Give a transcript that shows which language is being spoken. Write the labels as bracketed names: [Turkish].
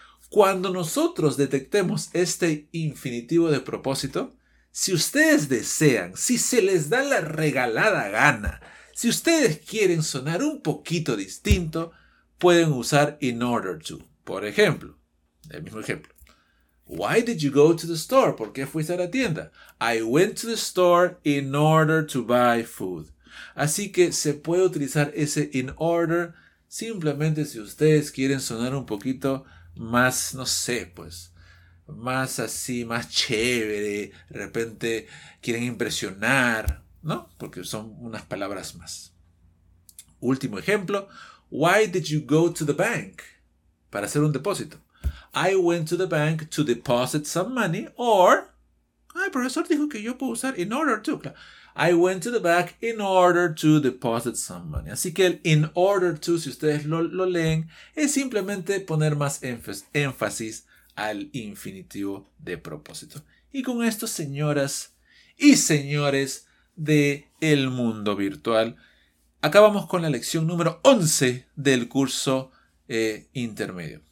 [Spanish] Cuando nosotros detectemos este infinitivo de propósito, si ustedes desean, si se les da la regalada gana, si ustedes quieren sonar un poquito distinto, pueden usar in order to. Por ejemplo, el mismo ejemplo. [English] Why did you go to the store? [Spanish] ¿Por qué fuiste a la tienda? [English] I went to the store in order to buy food. [Spanish] Así que se puede utilizar ese in order simplemente si ustedes quieren sonar un poquito más, no sé, pues, más así, más chévere, de repente quieren impresionar, ¿no? Porque son unas palabras más. Último ejemplo. [English] Why did you go to the bank? [Spanish] Para hacer un depósito. [English] I went to the bank to deposit some money, or... [Spanish] Ay, profesor dijo que yo puedo usar [English] in order to. I went to the bank in order to deposit some money. [Spanish] Así que el in order to, si ustedes lo leen, es simplemente poner más énfasis al infinitivo de propósito. Y con esto, señoras y señores del mundo virtual, acabamos con la lección número 11 del curso intermedio.